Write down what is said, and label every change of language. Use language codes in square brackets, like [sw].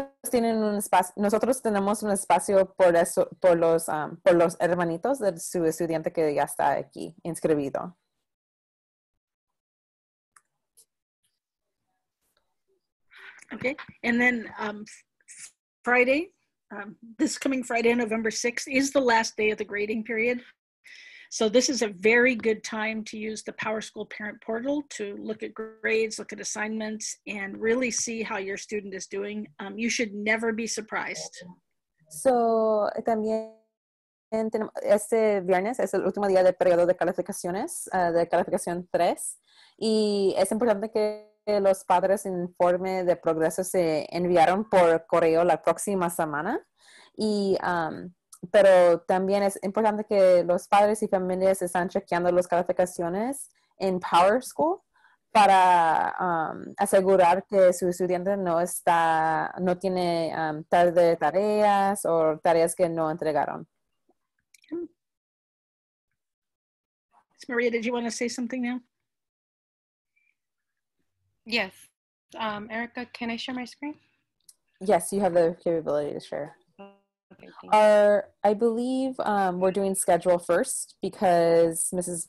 [es] tienen un espacio, nosotros tenemos un espacio por eso, por los hermanitos de su estudiante que ya está aquí inscribido. [en] Okay, and then Friday, this coming Friday, November 6th, is the last day of the grading period. So this is a very good time to use the PowerSchool Parent Portal to look at grades, look at assignments, and really see how your student is doing. You should never be surprised. [es] So, también, este viernes es el último día del periodo de calificaciones, de calificación 3, y es importante que los padres informe de progreso se enviaron por correo la próxima semana y pero también es importante que los padres y familias están chequeando las calificaciones en PowerSchool para asegurar que su estudiante no tiene tarde tareas o tareas que no entregaron. [en] Maria, did you want to say something now? Yes. Erica, can I share my screen? Yes, you have the capability to share. Okay, thank you. I believe we're doing schedule first because Mrs.